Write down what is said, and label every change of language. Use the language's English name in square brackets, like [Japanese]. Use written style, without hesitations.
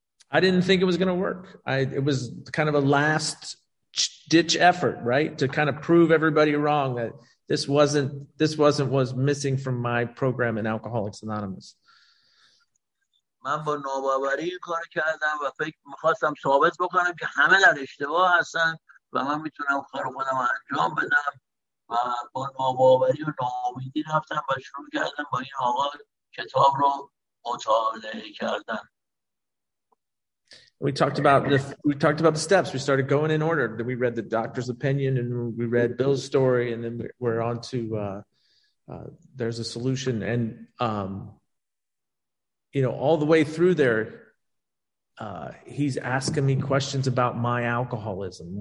[English] I didn't think it was going to work. It was kind of a last ditch effort, right? To kind of prove everybody wrong that this wasn't what was missing from my program in Alcoholics Anonymous. [Persian] من با ناباوری این کار کردم و فکر میخواستم ثابت بکنم که همه در اشتباه هستن و من میتونم کارو خودم انجام بدم و با ناباوری و ناامیدی رفتم و شروع کردم با این آقا کتاب رو مطالعه کردن. [English] We talked about the steps. We started going in order. Then we read the doctor's opinion and we read Bill's story, and then we're on to there's a solution. And you know, all the way through there, he's asking me questions about my alcoholism.